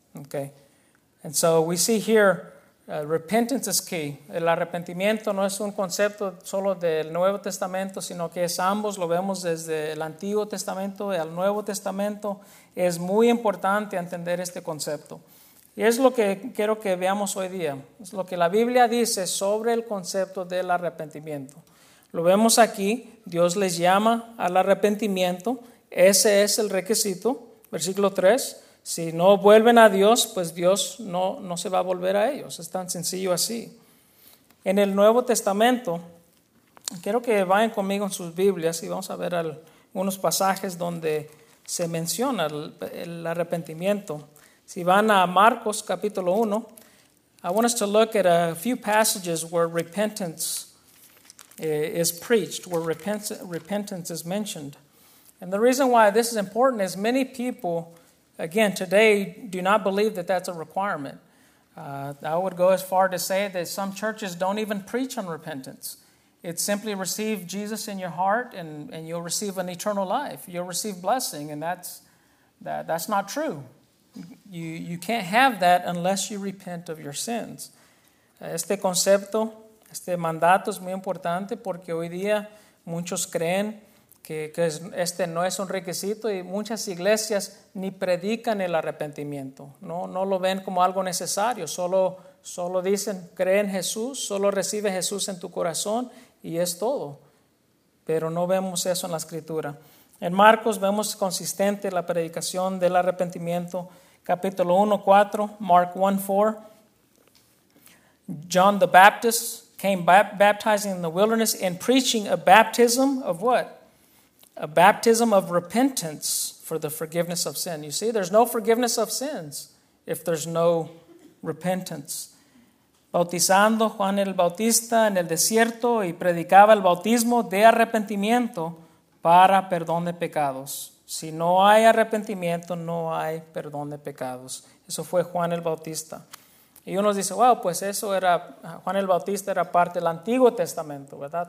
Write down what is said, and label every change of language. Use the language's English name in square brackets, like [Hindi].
[English] Okay, and so we see here, repentance is key. [Spanish] El arrepentimiento no es un concepto solo del Nuevo Testamento, sino que es ambos. Lo vemos desde el Antiguo Testamento y al Nuevo Testamento. Es muy importante entender este concepto. Y es lo que quiero que veamos hoy día. Es lo que la Biblia dice sobre el concepto del arrepentimiento. Lo vemos aquí. Dios les llama al arrepentimiento. Ese es el requisito. Versículo 3. Si no vuelven a Dios, pues Dios no se va a volver a ellos. Es tan sencillo así. En el Nuevo Testamento, quiero que vayan conmigo en sus Biblias y vamos a ver unos pasajes donde se menciona el arrepentimiento. Si van a Marcos capítulo 1, [English] I want us to look at a few passages where repentance is preached, where repentance is mentioned. And the reason why this is important is many people, again, today, do not believe that that's a requirement. I would go as far to say that some churches don't even preach on repentance. It's simply receive Jesus in your heart and you'll receive an eternal life. You'll receive blessing, and that's not true. You can't have that unless you repent of your sins. [Spanish] Este concepto, este mandato es muy importante porque hoy día muchos creen que este no es un requisito y muchas iglesias ni predican el arrepentimiento. No lo ven como algo necesario. Solo dicen, cree en Jesús, solo recibe Jesús en tu corazón y es todo. Pero no vemos eso en la Escritura. En Marcos vemos consistente la predicación del arrepentimiento. Capítulo 1:4, Mark 1:4. [English] John the Baptist came baptizing in the wilderness and preaching a baptism of what? A baptism of repentance for the forgiveness of sin. You see, there's no forgiveness of sins if there's no repentance. [Spanish] Bautizando Juan el Bautista en el desierto y predicaba el bautismo de arrepentimiento para perdón de pecados. Si no hay arrepentimiento, no hay perdón de pecados. Eso fue Juan el Bautista. Y uno dice, wow, pues eso era, Juan el Bautista era parte del Antiguo Testamento, ¿verdad?